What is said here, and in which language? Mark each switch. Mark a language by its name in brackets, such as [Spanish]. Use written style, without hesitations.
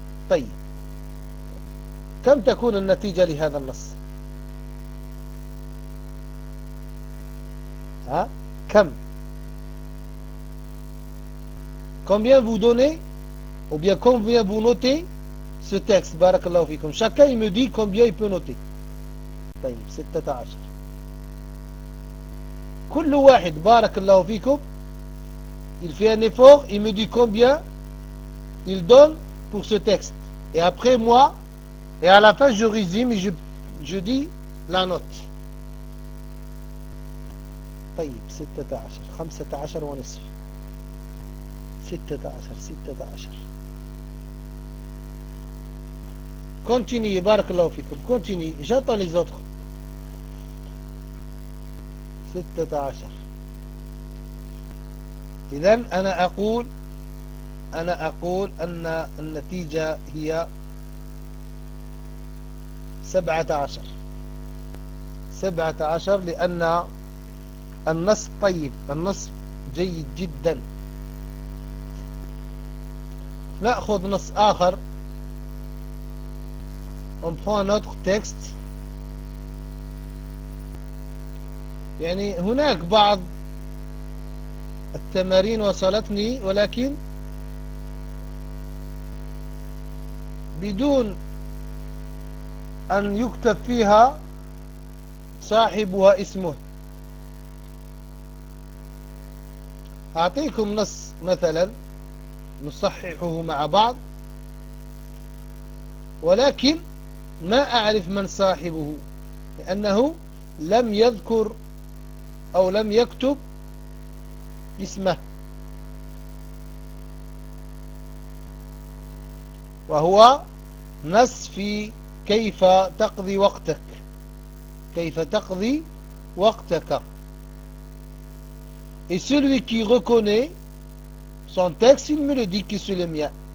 [Arabic] طيب، كم تكون النتيجة لهذا النص؟ ها؟ كم؟ [French] Combien vous donnez ou bien combien vous notez ce texte؟ [Arabic] بارك الله فيكم. [French] Chacun me dit combien il peut noter. [Arabic] طيب، 16. كل واحد بارك الله فيكم [French] il fait un effort, il me dit combien il donne pour ce texte. Et après moi, et à la fin je résume et je dis la note. [Arabic] طيب، 16، 15 ونصف، 16، 16. [French] Continue، [Arabic] بارك الله فيكم، [French] continue، j'attends les autres. [Arabic] 16. إذن أنا أقول أن النتيجة هي 17، 17، لأن النص طيب، النص جيد جدا. نأخذ نص آخر، [French] on prend notre texte. [Arabic] يعني هناك بعض التمارين وصلتني ولكن بدون أن يكتب فيها صاحبها اسمه. أعطيكم نص مثلا نصححه مع بعض، ولكن ما أعرف من صاحبه لأنه لم يذكر أو لم يكتب اسمه، وهو نص في كيف تقضي وقتك، كيف تقضي وقتك. [French] Et celui qui reconnaît son texte, il me le dit qu'il se le mien.